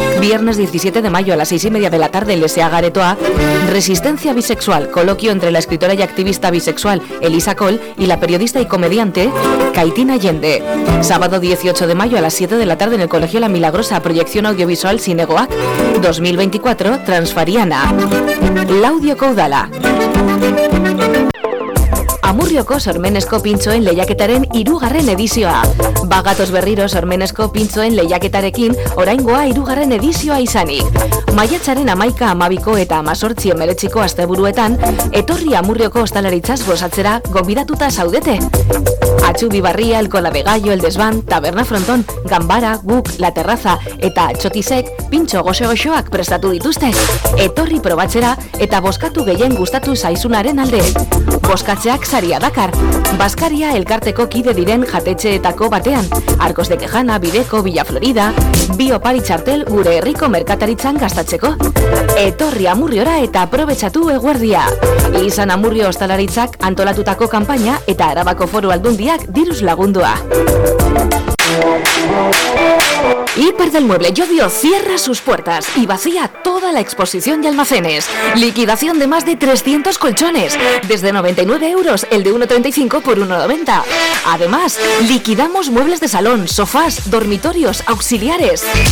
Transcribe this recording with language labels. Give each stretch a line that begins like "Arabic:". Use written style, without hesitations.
Spanish: Viernes 17 de mayo a las 6:30 de la tarde en Leseaga de Toa, Resistencia Bisexual, coloquio entre la escritora y activista bisexual Elisa Col y la periodista y comediante Caitina Allende. Sábado 18 de mayo a las 7 de la tarde en el Colegio La Milagrosa, proyección audiovisual Cinegoac 2024, Transfariana.
Basque: Laudio Koudala. Amurrioko sormenezko pintxoen lehiaketaren hirugarren edizioa. Bagatoz berriro sormenezko pintxoen lehiaketarekin oraingoa hirugarren edizioa izanik. Maiatzaren 11, 12 eta 18, 19 asteburuetan etorri Amurrioko ostalaritzaz gozatzera gonbidatuta zaudete. Atxubi Barria, El Cola de Gallo, El Desván, Taberna Fronton, Gambara, Guk, La Terraza eta Txotisek pintxo goxo-goxoak prestatu dituzte. Etorri probatzera eta bozkatu gehien gustatu zaizunaren alde. Bozkatzeak saria dakar. Baskaria elkarteko kide diren jatetxeetako batean. Arcos de Quejana, Bideko, Villa Florida, Biopari txartel gure herriko merkataritzan gastatzeko. Etorri Amurriora eta aprobetxatu eguerdia. Izan Amurrio ostalaritzak antolatutako kanpaina eta Arabako Foru Aldundiak diruz lagundua.
Spanish: Hiper del Mueble Llodio cierra sus puertas y vacía toda la exposición y almacenes. Liquidación de más de 300 colchones, desde 99 euros el de 1,35 por 1,90. Además, liquidamos muebles de salón, sofás, dormitorios, auxiliares.